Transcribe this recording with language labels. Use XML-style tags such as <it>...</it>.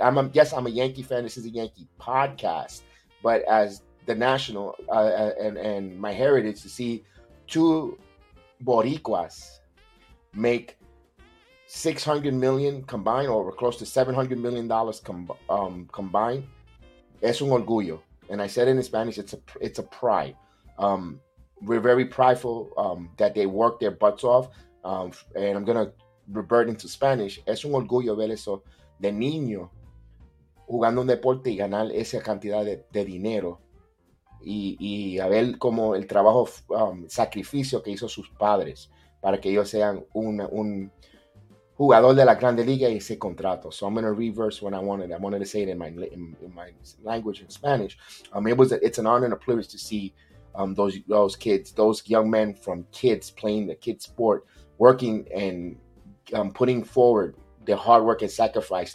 <en>I'm a Yankee fan. This is a Yankee podcast, but as the national and my heritage, to see two Boricuas make $600 million combined, or close to $700 million combined.</en> <es>Es un orgullo,</es> <en>and I said in Spanish, it's a pride. We're very prideful that they worked their butts off, and I'm gonna revert into Spanish.</en> <es>Es un orgullo ver eso de niño jugando un deporte y ganar esa cantidad de dinero y a ver como el trabajo sacrificio que hizo sus padres para que ellos sean un jugador de la Grande Liga y ese contrato.</es> <en>So I'm going to reverse what I wanted to say it in my language, in Spanish. It's an honor and a privilege to see those kids, those young men from kids playing the kid sport, working and putting forward their hard work and sacrifice.</en>